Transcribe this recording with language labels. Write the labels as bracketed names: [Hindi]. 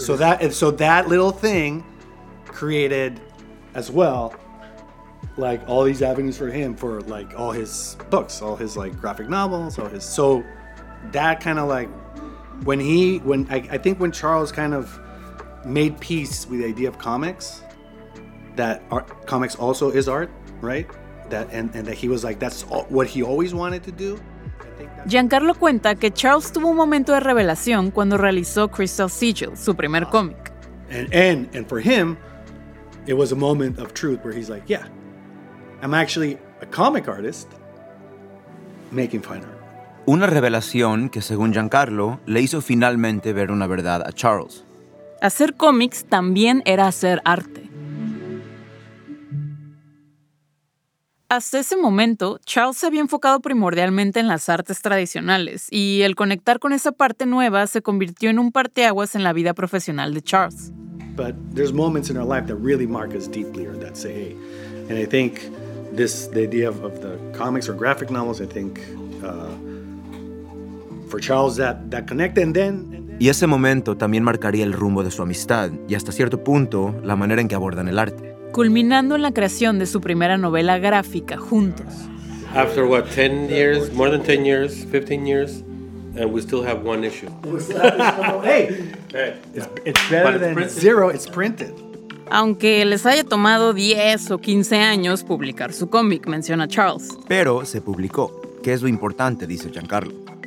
[English] So that little thing created as well like all these avenues for him for like all his books, all his like graphic novels, all his so that kind of like when he when I think when Charles kind of made peace with the idea of comics that art, comics also is art, right? That he was like, that's all, what he always wanted to do. [Spanish] Giancarlo cuenta que Charles tuvo un momento de revelación cuando realizó Crystal Sigil, su primer cómic. [English] And for him, it was a moment of truth where he's like, yeah, I'm actually a comic artist making fine art. [Spanish] Una revelación que, según Giancarlo, le hizo finalmente ver una verdad a Charles. Hacer cómics también era hacer arte. Hasta ese momento, Charles se había enfocado primordialmente en las artes tradicionales y el conectar con esa parte nueva se convirtió en un parteaguas en la vida profesional de Charles. [English] But there's moments in our life that really mark us deeply or that say, hey, and I think this, the idea of the comics or graphic novels, I think for Charles that connect and then... [Spanish] Y ese momento también marcaría el rumbo de su amistad y hasta cierto punto la manera en que abordan el arte. Culminando en la creación de su primera novela gráfica juntos. [English] After what, 10 years, more than 10 years, 15 years, and we still have one issue. Hey, it's better than zero, it's printed. [Spanish] Aunque les haya tomado 10 o 15 años publicar su cómic, menciona Charles. Pero se publicó, que es lo importante, dice Giancarlo.